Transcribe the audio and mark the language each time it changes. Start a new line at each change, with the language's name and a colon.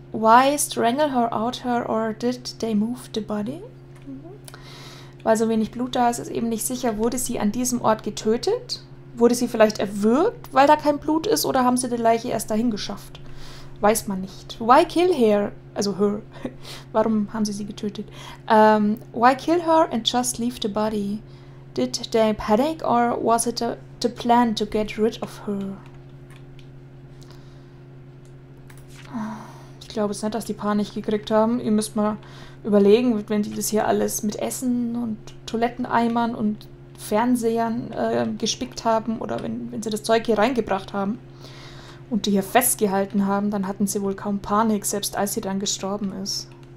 English: Why strangle her out her or did they move the body?
German: Weil so wenig Blut da ist, ist eben nicht sicher, wurde sie an diesem Ort getötet? Wurde sie vielleicht erwürgt, weil da kein Blut ist, oder haben sie die Leiche erst dahin geschafft? Weiß man nicht.
English: Why kill her?
German: Also her. Warum haben sie getötet?
English: Why kill her and just leave the body? Did they panic or was it the plan to get rid of her?
German: Ich glaube es nicht, dass die Panik gekriegt haben. Ihr müsst mal überlegen, wenn die das hier alles mit Essen und Toiletteneimern und Fernsehern gespickt haben oder wenn sie das Zeug hier reingebracht haben und die hier festgehalten haben, dann hatten sie wohl kaum Panik, selbst als sie dann gestorben ist.